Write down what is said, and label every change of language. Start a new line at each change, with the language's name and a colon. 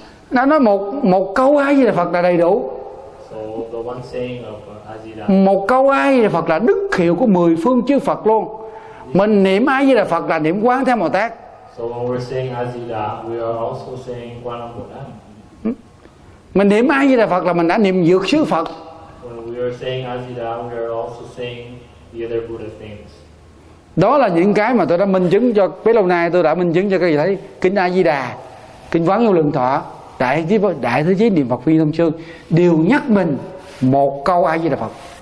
Vietnamese: Nó nói một câu A Di Đà Phật là đầy đủ.
English: So the one saying of Azida.
Vietnamese: Một câu A Di Đà Phật là đức hiệu của mười phương chư Phật luôn. Mình niệm A Di Đà Phật là niệm quán theo Bồ Tát.
English: So when we're saying Azida, we are also saying quán âm Bồ Tát.
Vietnamese: Mình niệm A Di Đà Phật là mình đã niệm dược sư Phật.
English: When we are saying Azida, we are also saying the other Buddha things.
Vietnamese: Đó là những cái mà tôi đã minh chứng cho bấy lâu nay, tôi đã minh chứng cho các vị thấy kinh A Di Đà, kinh Quán Vô Lượng Thọ, đại thế giới niệm Phật Phi Thông Chương đều nhắc mình một câu A Di Đà Phật.